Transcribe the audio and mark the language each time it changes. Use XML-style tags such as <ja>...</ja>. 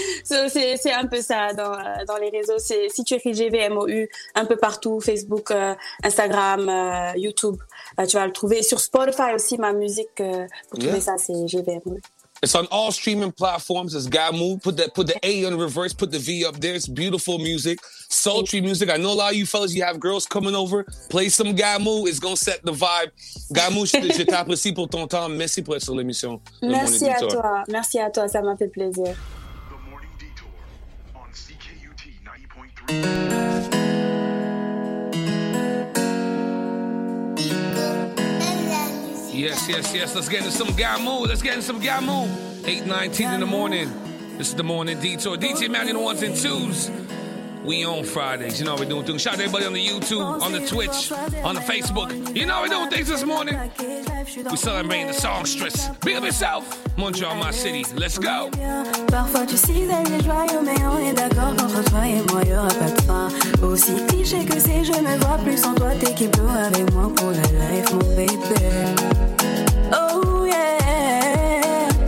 <fr>Donc, c'est un peu ça dans les réseaux. C'est, si tu écris G-V-M-O-U un peu partout, Facebook, Instagram, YouTube, tu vas le trouver. Sur Spotify aussi, ma musique, pour trouver ça, c'est G-V-M-O-U.</fr> <en>It's on all streaming platforms. It's Gamu. Put the A in reverse. Put the V up there. It's beautiful music. Sultry music. I know a lot of you fellas, you have girls coming over. Play some Gamu. It's going to set the vibe. Gamu,</en> <fr>je t'apprécie pour ton temps. Merci pour être sur l'émission. Merci à toi. Merci à toi. Ça m'a fait plaisir.</fr> <en>The Morning Detour on CKUT 90.3. Yes, yes, yes. Let's get into some Gamu. Let's get into some Gamu. 8:19 in the morning. This is the Morning Detour. DJ Manny in the ones and twos. We on Fridays. You know how we doing things. Shout out to everybody on the YouTube, on the Twitch, on the Facebook. You know how we doing things this morning. We celebrating the songstress. Big up yourself. Montreal, my city. Let's go.</en> <fr>Parfois tu sais elle est joyeux, mais on est d'accord qu'entre toi et moi, y aura pas de fin. Aussi cliché que c'est, je me vois plus sans toi. T'es qui pleure avec moi pour la life, mon baby.</fr> <en>Oh yeah.</en>